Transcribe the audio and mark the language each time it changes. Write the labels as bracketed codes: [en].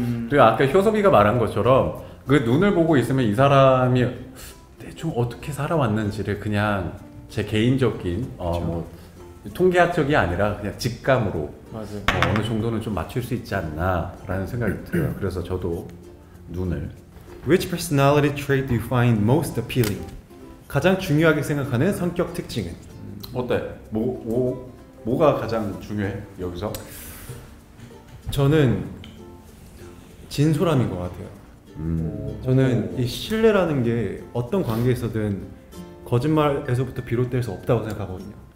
[ko] 그리고 아까 효섭이가 말한 것처럼 그 눈을 보고 있으면 이 사람이 대충 어떻게 살아왔는지를 그냥 제 개인적인 뭐 통계학적이 아니라 그냥 직감으로 맞아요. 어느 정도는 좀 맞출 수 있지 않나 라는 생각이 들어요. 그래서 저도 눈을. [en] Which personality trait do you find most appealing? [ko] 가장 중요하게 생각하는 성격 특징은? 어때? 뭐가 가장 중요해 여기서? 저는 진솔함인 것 같아요. 저는 이 신뢰라는 게 어떤 관계에서든 거짓말에서부터 비롯될 수 없다고 생각하거든요.